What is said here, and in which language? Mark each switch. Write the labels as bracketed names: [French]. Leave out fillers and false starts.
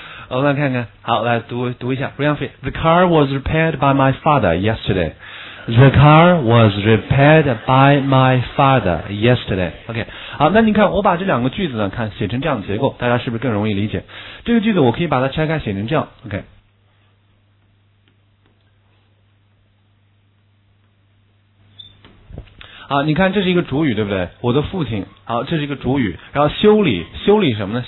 [Chinese] 我们来看看，好，来读一下。 [English] Ryanfei, the car was repaired by my father yesterday. The car was repaired by my father yesterday. OK。 [Chinese] 好，那你看，我把这两个句子呢，看写成这样的结构，大家是不是更容易理解？这个句子我可以把它拆开写成这样。 [English] OK。 [Chinese] 好，你看这是一个主语，对不对？我的父亲。好，这是一个主语，然后修理什么呢？